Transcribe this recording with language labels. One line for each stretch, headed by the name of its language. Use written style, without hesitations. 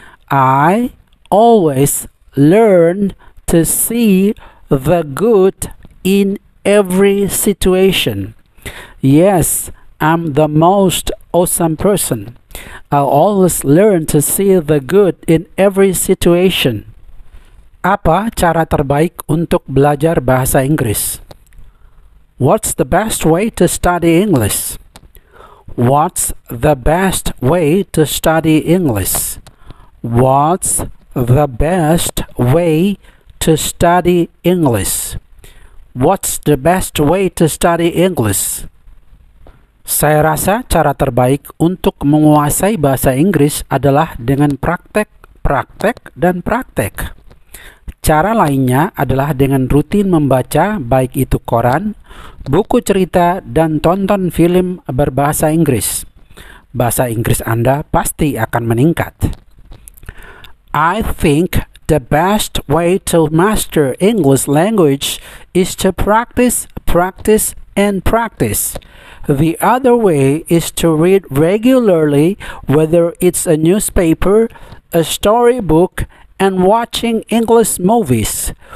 English: I always learn to see the good in every situation. Yes, I'm the most awesome person. I always learn to see the good in every situation.
Indonesian: Apa cara terbaik untuk belajar bahasa Inggris?
English: What's the best way to study English? What's the best way to study English? What's the best way to study English? What's the best way to study English?
Indonesian: Saya rasa cara terbaik untuk menguasai bahasa Inggris adalah dengan praktek, praktek, dan praktek. Cara lainnya adalah dengan rutin membaca baik itu koran, buku cerita, dan tonton film berbahasa Inggris. Bahasa Inggris Anda pasti akan meningkat.
English: I think the best way to master English language is to practice, practice, and practice. The other way is to read regularly, whether it's a newspaper, a storybook, and watching English movies.